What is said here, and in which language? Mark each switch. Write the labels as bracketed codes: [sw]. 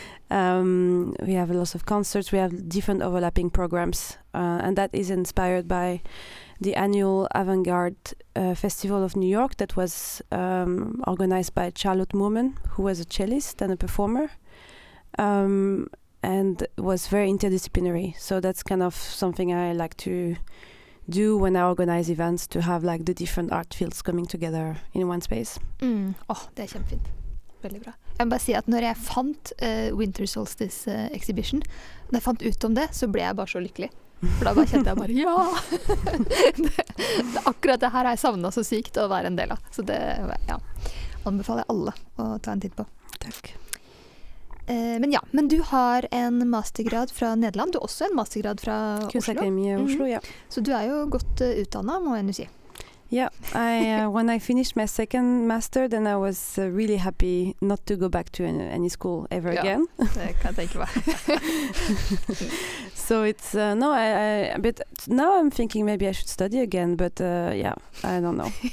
[en] We have lots of concerts. We have different overlapping programs, and that is inspired by the annual Avant-Garde Festival of New York that was organized by Charlotte Moorman, who was a cellist and a performer, and was very interdisciplinary. So that's kind of something I like to do when I organize events, to have like the different art fields coming together in one space. [no] Oh, det er kjempefint. Veldig bra. Jeg må bare si at når jeg fant Winter Solstice Exhibition, når jeg fant ut om det, så ble jeg bare så lykkelig. For da bare kjente jeg bare, ja! det, akkurat det her har jeg savnet så sykt å være en del av. Så det, ja, anbefaler jeg alle å ta en titt på. Takk. Men ja, men du har en mastergrad fra Nederland, du har også en mastergrad fra Kunstakademi Oslo. Kunstakademi Oslo, ja. Så du jo godt utdannet, må jeg nu si. [en] Yeah, I, when I finished my second master, then I was really happy not to go back to any school ever again. [no] Ja, kan tenke meg. [en] So it's, no, I, but now I'm thinking maybe I should study again, but yeah, I don't know.